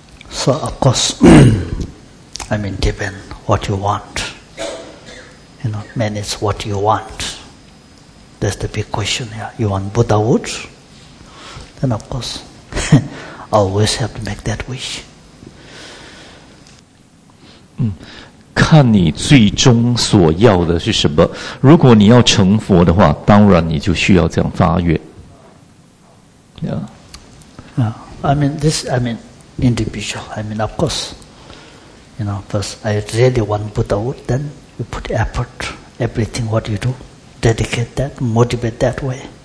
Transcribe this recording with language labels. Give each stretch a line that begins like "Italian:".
English: So, of course, I mean, given what you want, you know, man, it's what you want. That's the big question here. You want Buddhahood? Then of course, always have to make that wish.
Chinese: 看你最终所要的是什么。如果你要成佛的话，当然你就需要这样发愿。
English: Yeah. I mean, individual. I mean, of course, you know, first, I really want Buddhahood. Then you put effort, everything what you do, dedicate that, motivate that way.